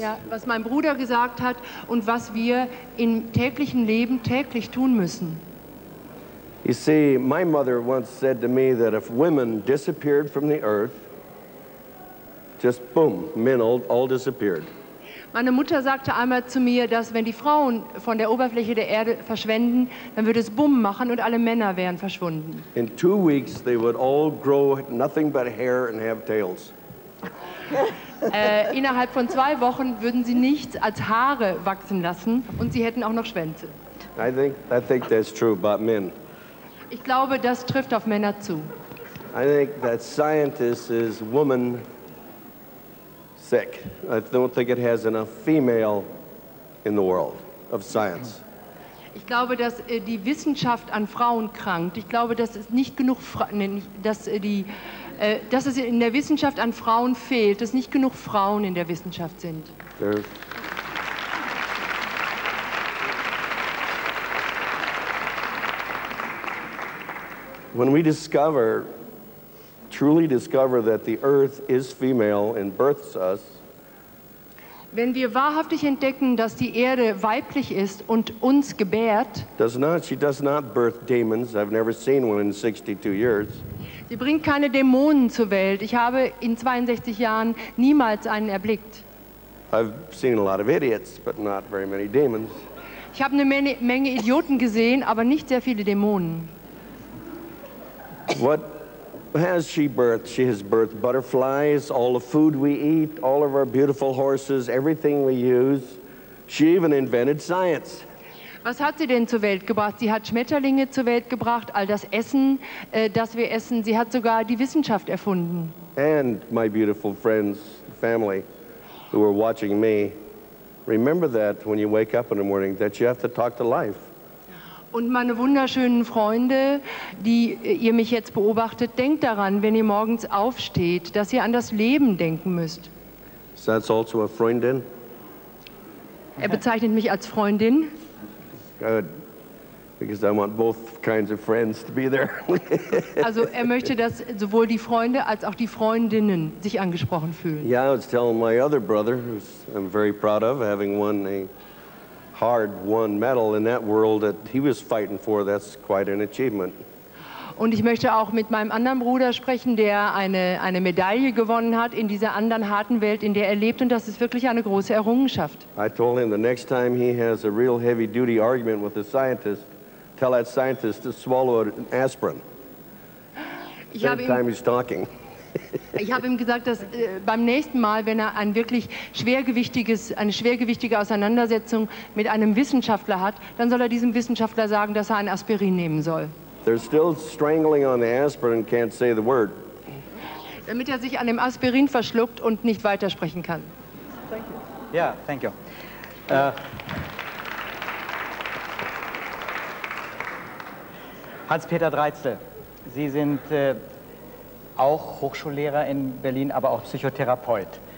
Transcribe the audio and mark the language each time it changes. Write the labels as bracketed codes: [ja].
[de] Ja, was mein Bruder gesagt hat und was wir im täglichen Leben täglich tun müssen. [en] You see, my mother once said to me that if women disappeared from the earth, just boom, men all disappeared. [de] Meine Mutter sagte einmal zu mir, dass wenn die Frauen von der Oberfläche der Erde verschwinden, dann würde es Bumm machen und alle Männer wären verschwunden. [en] In 2 weeks they would all grow nothing but hair and have tails. [de] Innerhalb von 2 Wochen würden sie nichts als Haare wachsen lassen und sie hätten auch noch Schwänze. [en] I think that's true about men. [de] Ich glaube, das trifft auf Männer zu. [en] I think that scientist is woman. Sick. I don't think it has enough female in the world of science. [de] Ich glaube, dass die Wissenschaft an Frauen krankt. Ich glaube, dass es nicht genug dass es in der Wissenschaft an Frauen fehlt, dass nicht genug Frauen in der Wissenschaft sind. [en] When we discover truly discover that the earth is female and births us. [de] Wenn wir wahrhaftig entdecken, dass die Erde weiblich ist und uns gebärt. [en] Does not, she does not birth demons. I've never seen one in 62 years. [de] Sie bringt keine Dämonen zur Welt. Ich habe in 62 Jahren niemals einen erblickt. [en] I've seen a lot of idiots, but not very many demons. [de] Ich habe eine Menge Idioten gesehen, aber nicht sehr viele Dämonen. [en] What has she birthed? She has birthed butterflies, all the food we eat, all of our beautiful horses, everything we use. She even invented science. [de] Was hat sie denn zur Welt gebracht? Sie hat Schmetterlinge zur Welt gebracht, all das Essen, das wir essen. Sie hat sogar die Wissenschaft erfunden. [en] And my beautiful friends, family, who are watching me, remember that when you wake up in the morning, that you have to talk to life. [de] Und meine wunderschönen Freunde, die ihr mich jetzt beobachtet, denkt daran, wenn ihr morgens aufsteht, dass ihr an das Leben denken müsst. [en] Is that also a Freundin? [de] Er bezeichnet mich als Freundin. [en] Good. Because I want both kinds of friends to be there. [de] Also er möchte, dass sowohl die Freunde als auch die Freundinnen sich angesprochen fühlen. [en] Yeah, I was telling my other brother, who I'm very proud of, having won a hard won medal in that world that he was fighting for, that's quite an achievement. [de] Und ich möchte auch mit meinem anderen Bruder sprechen, der eine Medaille gewonnen hat in dieser anderen harten Welt, in der er lebt, und das ist wirklich eine große Errungenschaft. [en] I told him the next time he has a real heavy duty argument with a scientist, tell that scientist to swallow an aspirin. [de] Ich habe ihm gesagt, dass beim nächsten Mal, wenn er eine schwergewichtige Auseinandersetzung mit einem Wissenschaftler hat, dann soll er diesem Wissenschaftler sagen, dass er ein Aspirin nehmen soll. [en] They're still strangling on the aspirin and can't say the word. [de] Damit er sich an dem Aspirin verschluckt und nicht weitersprechen kann. [en] Thank you. Yeah, thank you. [de] Hans-Peter Dreizel, Sie sind auch Hochschullehrer in Berlin, aber auch Psychotherapeut.